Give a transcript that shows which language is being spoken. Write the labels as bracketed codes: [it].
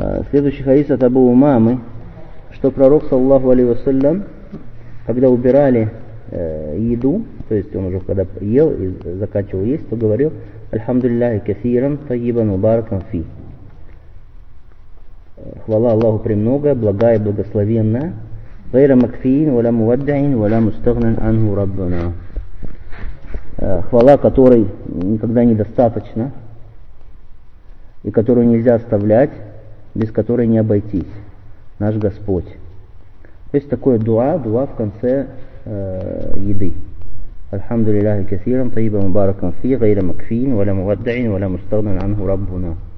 [ru] Следующий хадис от Абу Умамы, что пророк саллаллаху алейхи ва саллям, когда убирали еду, то есть он уже когда ел и заканчивал есть, то говорил: [ar] «Альхамдуллахи кафиран тайибан мубаракан фи». [ru] Хвала Аллаху премногая, благая и благословенная. [ar] غير مكفين ولا مودعين ولا مستغن عنه ربنا. [ru] Хвала, которой никогда недостаточно и которую нельзя оставлять, без которой не обойтись. Наш Господь. То есть такое дуа в конце еды. [ar] الحمد لله كثيرا طيبا مباركا فيه غير مكفين ولا مودعين ولا مستغن عنه ربنا.